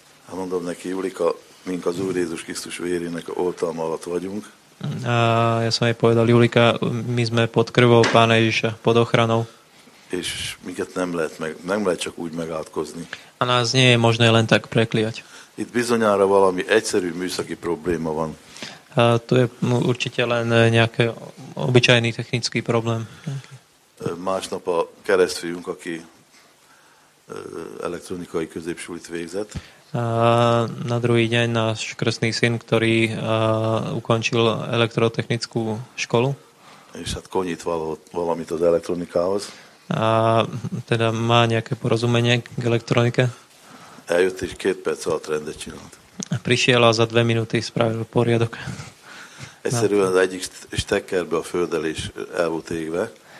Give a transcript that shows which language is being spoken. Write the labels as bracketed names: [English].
[Hungarian] A mondom neki, Julika, mink az Úr Jézus Krisztus vérének oltalma alatt vagyunk. [Slovak] Ja som jej povedal, Julika, my sme pod krvou Pána Ježiša, pod ochranou. [Hungarian] És minket nem lehet csak úgy megátkozni. [Slovak] A nás nie je možné len tak prekliať. [Hungarian] Itt bizonyára valami egyszerű műszaki probléma van. [Slovak] To je určite len nejaký obyčajný technický problém. [Hungarian] Másnap a keresztfiunk, aki elektronikai középsulit végzett. [Slovak] Na druhý deň náš krstný syn, ktorý ukončil elektrotechnickú školu. [Hungarian] És hát konyít valamit az elektronikához. [Slovak] A teda má nejaké porozumenie k elektronike. [Hungarian] Eljött és két perc alatt rendet csinált. [Slovak] Prišiel a za dve minúty spravil poriadok. [Hungarian] Egyszerűen az egyik stekkerbe a földel is el volt égve.